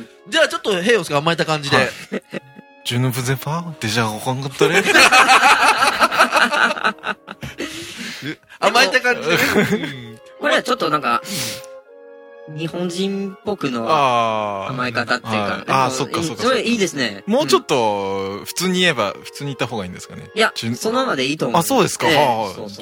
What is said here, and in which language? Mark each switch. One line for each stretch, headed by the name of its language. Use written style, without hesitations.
Japanese: じゃあちょっと平洋さんが甘えた感じで、
French: je ne vous ai pas déjà rencontré?
Japanese: 甘えた感じで、これはちょっとなんか日本人っぽくの甘え方っていうか、ああ、そっかそっか、それいいですね。もうちょっと普通に言えば、うん、普通に言った方がいいんですかね。いや、そのままでいいと思う。あ、そうですか。はい。